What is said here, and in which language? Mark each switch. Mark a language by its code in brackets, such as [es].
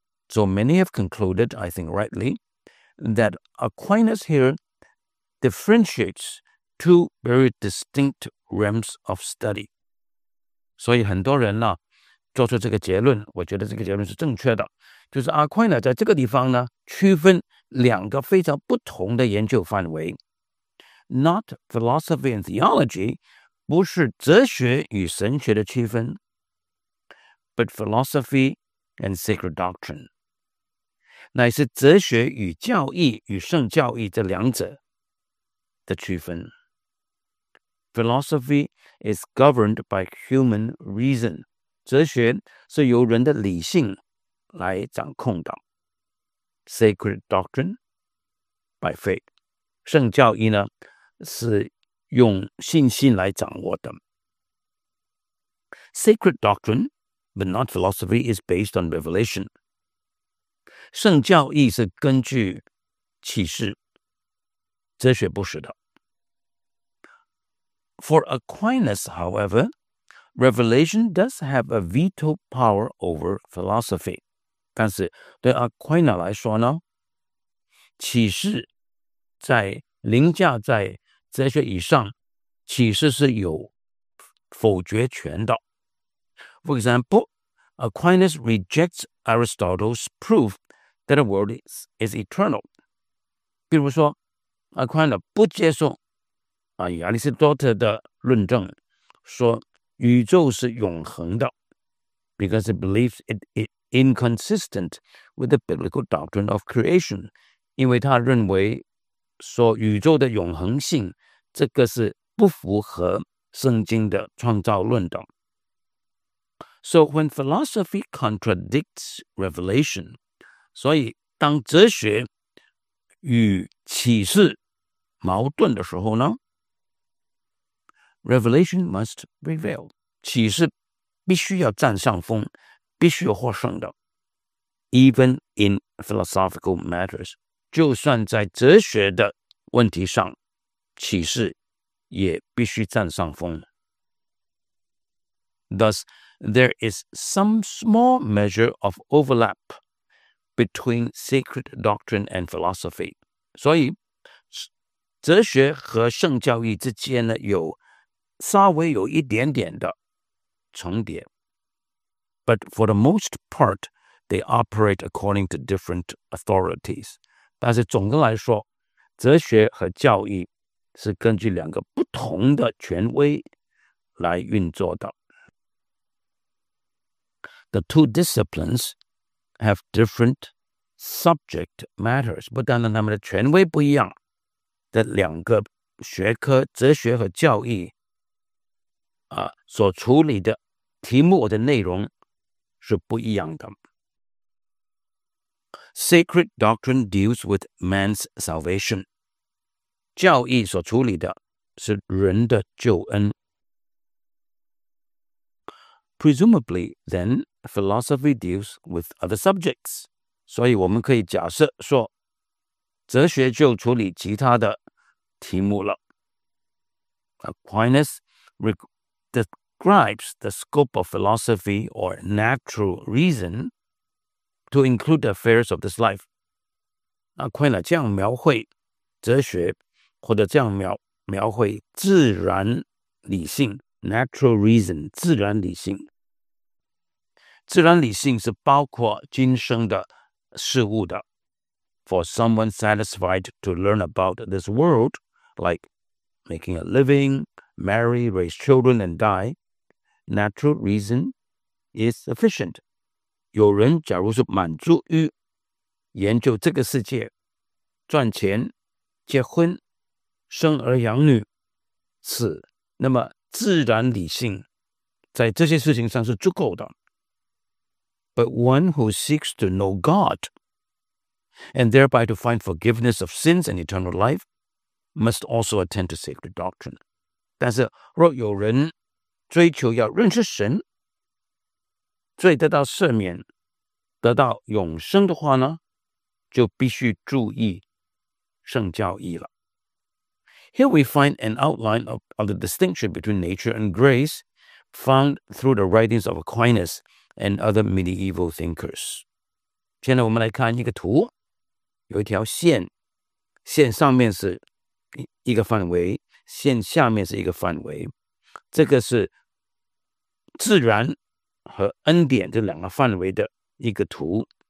[en] So many have concluded, I think rightly, that Aquinas here differentiates two very distinct realms of study. [zh] 所以很多人呢，做出这个结论，我觉得这个结论是正确的，就是 Aquinas 在这个地方呢，区分两个非常不同的研究范围。 [en] Not philosophy and theology, [zh] 不是哲学与神学的区分， [en] but philosophy and sacred doctrine. [zh] 乃是哲学与教义与圣教义这两者的区分。 [en] Philosophy is governed by human reason. [zh] 哲学是由人的理性来掌控的。 [en] Sacred doctrine by faith. [zh] 圣教义呢是用信心来掌握的。 [en] Sacred doctrine, but not philosophy, is based on revelation. [zh] 圣教义是根据启示，哲学不是的。 [en] For Aquinas, however, revelation does have a veto power over philosophy. [zh] 但是对 Aquinas 来说呢，启示在凌驾在哲学以上，启示是有否决权的。 [en] For example, Aquinas rejects Aristotle's proof. That the world is eternal. [zh] 比如说 Aquinas 不接受、亚里士多德的论证，说宇宙是永恒的， [en] because it believes it is inconsistent with the biblical doctrine of creation. [zh] 因为他认为说宇宙的永恒性，这个是不符合圣经的创造论的。 [en] So when philosophy contradicts revelation, [zh] 所以当哲学与启示矛盾的时候呢， [en] Revelation must prevail. [zh] 启示必须要占上风，必须要获胜的。 [en] Even in philosophical matters. [zh] 就算在哲学的问题上，启示也必须占上风。 [en] Thus, there is some small measure of overlap. Between sacred doctrine and philosophy. [zh] 所以哲学和圣教义之间呢，有稍微有一点点的重叠。 [en] But for the most part, they operate according to different authorities. [zh] 但是总的来说，哲学和教义是根据两个不同的权威来运作的。 [en] The two disciplines... have different subject matters. [zh] 不单单他们的权威不一样，这两个学科，哲学和教义，所处理的题目的内容是不一样的。 [en] Sacred doctrine deals with man's salvation. [zh] 教义所处理的是人的救恩。 [en] Presumably, then,Philosophy deals with other subjects. [zh] 所以我们可以假设说，哲学就处理其他的题目了。 [en] Aquinas describes the scope of philosophy or natural reason to include the affairs of this life. [zh] Aquinas 这样描绘哲学，或者这样描绘自然理性 [en] natural reason, [zh] 自然理性。自然理性是包括今生的事物的。 [en] For someone satisfied to learn about this world, like making a living, marry, raise children, and die, natural reason is sufficient. [zh] 有人假如是满足于研究这个世界、赚钱、结婚、生儿养女，此那么自然理性在这些事情上是足够的。 [en] But one who seeks to know God and thereby to find forgiveness of sins and eternal life must also attend to sacred doctrine. [zh] 但是若有人追求要认识神，罪得到赦免，得到永生的话呢，就必须注意圣教义了。 [en] Here we find an outline of the distinction between nature and grace found through the writings of Aquinas and other medieval thinkers. [zh] 现在我们来看一个图，有一条线，线上面是一个范围，线下面是一个范围，这个是自然和恩典这两个范围的一个图。